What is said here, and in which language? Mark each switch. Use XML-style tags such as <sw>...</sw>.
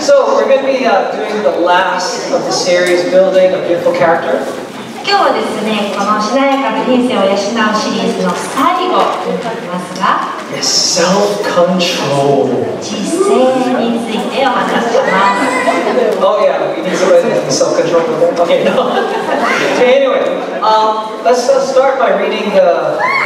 <en>So we're going to be doing the last of the series, Building a Beautiful Character.</en> <ja>今日はですね、このしなやかな人生を養うシリーズの最後になりますが、</ja> <en>Yes, self-control.</en> <ja>自制についてお話します。</ja> <en>Oh yeah, we need somebody with self-control. Okay, no. Okay, anyway, let's start by reading the...</en>